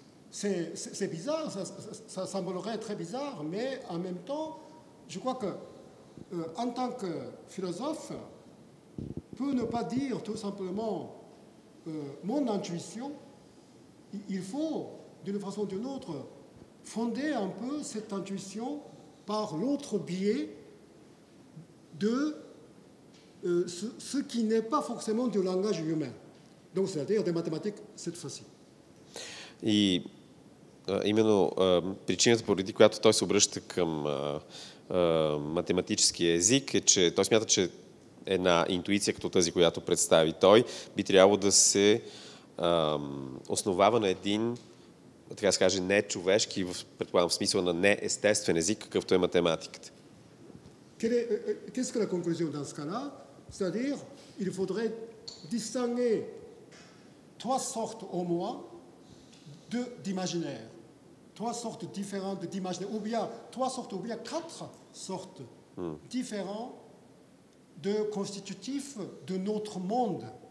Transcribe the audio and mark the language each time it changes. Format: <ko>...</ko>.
<fr>C'est bizarre, ça semblerait très bizarre, mais en même temps, je crois que en tant que philosophe, peut ne pas dire tout simplement mon intuition, il faut, d'une façon ou d'une autre, fonder un peu cette intuition par l'autre biais de ce qui n'est pas forcément du langage humain. Donc, c'est-à-dire des mathématiques, cette fois-ci.</fr> <bg>И именно причината, поради която той се обръща към математическия език, е, че той смята, че една интуиция, като тази, която представи той, би трябвало да се основава на един, така да се каже, нечовешки, предполагам, в смисъл на неестествен език, какъвто е математиката.</bg> <fr>Qu'est-ce que la conclusion dans ce cas-là? C'est-à-dire, il faudrait distinguer trois sortes au moins d'imaginaire. Trois sortes différentes d'imaginaire, ou bien trois sortes, ou bien quatre sortes différentes de constitutifs de notre monde.</fr>